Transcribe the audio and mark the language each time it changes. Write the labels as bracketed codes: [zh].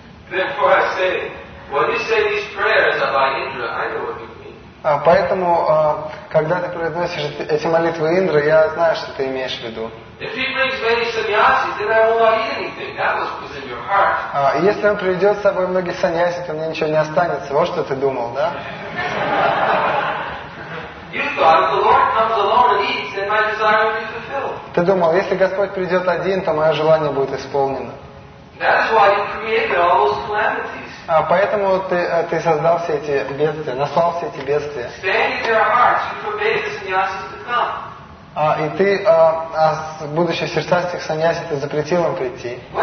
[en] Therefore I say, when you say these prayers are by Indra, I know what you mean. [ru] Поэтому, когда ты произносишь эти молитвы Индры, я знаю, что ты имеешь в виду. [en] If he brings many sannyasi, then I will not eat anything. That was in your heart. [ru] Если он приведет с собой многие саньяси, то мне ничего не останется. Вот что ты думал, да? [en] You thought if the Lord comes alone and eats, then my desire will be fulfilled. [ru] Ты думал, если Господь придет один, то мое желание будет исполнено. [en] That is why you created all those calamities. [ru] Поэтому ты создал все эти бедствия, наслал все эти бедствия. [en] Standing in their hearts, you forbade the sannyasi to come. [ru] И ты, будучи в сердцах этих саньяси, ты запретил им прийти.